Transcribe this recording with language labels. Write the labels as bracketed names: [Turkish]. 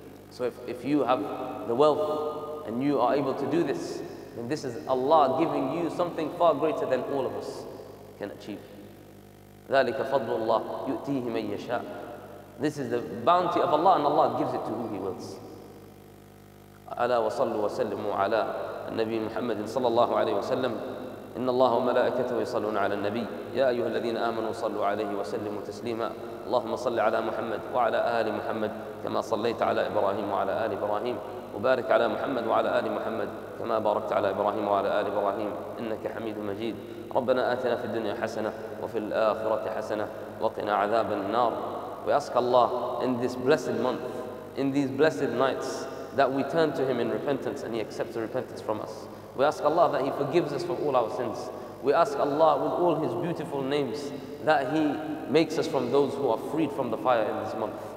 [English] So if you have the wealth and you are able to do this, then this is Allah giving you something far greater than all of us can achieve. [Arabic] ذَلِكَ فَضْلُ اللَّهِ يُؤْتِيهِ مَنْ يَشَاءُ. [English] This is the bounty of Allah, and Allah gives it to who He wills. [Arabic] أَلَا وَصَلُّ وَسَلِّمُوا عَلَى النَّبِي مُحَمَّدٍ صلى الله عليه وسلم. إن الله وملائكته يصلون على النبي. يا أيها الذين آمنوا صلوا عليه وسلموا تسليما. اللهم صل على محمد وعلى آل محمد كما صليت على إبراهيم وعلى آل إبراهيم. وبارك على محمد وعلى آل محمد كما باركت على إبراهيم وعلى آل إبراهيم. إنك حميد مجيد. ربنا آتنا في الدنيا حسنة وفي الآخرة حسنة وقنا عذاب النار. [English] We ask Allah in this blessed month, in these blessed nights, that we turn to Him in repentance and He accepts the repentance from us. We ask Allah that He forgives us from all our sins. We ask Allah with all His beautiful names that He makes us from those who are freed from the fire in this month.